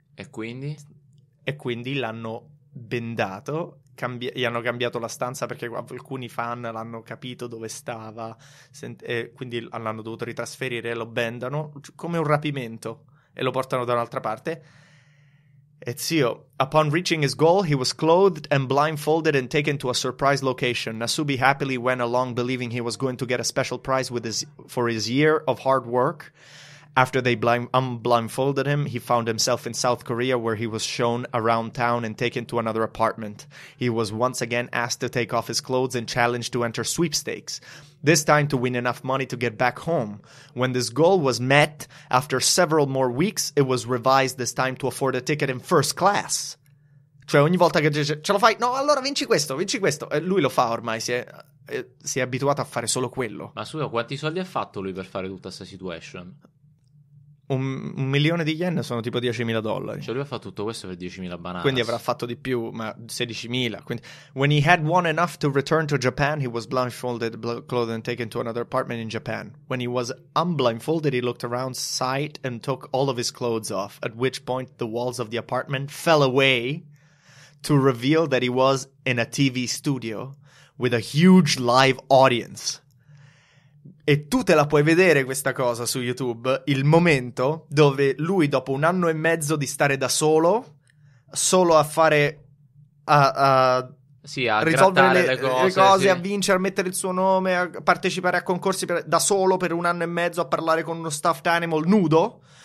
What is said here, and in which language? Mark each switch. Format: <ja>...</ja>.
<it>E quindi? E quindi l'hanno bendato, gli hanno cambiato la stanza perché alcuni fan l'hanno capito dove stava, e quindi l'hanno dovuto ritrasferire, lo bendano come un rapimento e lo portano da un'altra parte. E zio,</it> <en>upon reaching his goal, he was clothed and blindfolded and taken to a surprise location. Nasubi happily went along, believing he was going to get a special prize for his year of hard work. After they unblindfolded him, he found himself in South Korea, where he was shown around town and taken to another apartment. He was once again asked to take off his clothes and challenged to enter sweepstakes, this time to win enough money to get back home. When this goal was met, after several more weeks, it was revised, this time to afford a ticket in first class.</en> <it>Cioè ogni volta che dice, ce lo fai? No, allora vinci questo, e lui lo fa ormai, si è abituato a fare solo quello. Ma su, quanti soldi ha fatto lui per fare tutta questa situation? Un milione di yen sono tipo 10.000 dollari. Cioè lui ha fatto tutto questo per 10.000 bananas. Quindi avrà fatto di più, ma 16.000. Quindi...</it> <en>When he had won enough to return to Japan, he was blindfolded, clothed and taken to another apartment in Japan. When he was unblindfolded, he looked around sight and took all of his clothes off, at which point the walls of the apartment fell away, to reveal that he was in a TV studio with a huge live audience.</en> <it>E tu te la puoi vedere questa cosa su YouTube, il momento dove lui, dopo un anno e mezzo di stare da solo, solo a fare... A risolvere le cose, sì. A vincere, a mettere il suo nome, a partecipare a concorsi da solo per un anno e mezzo, a parlare con uno stuffed animal nudo.</it>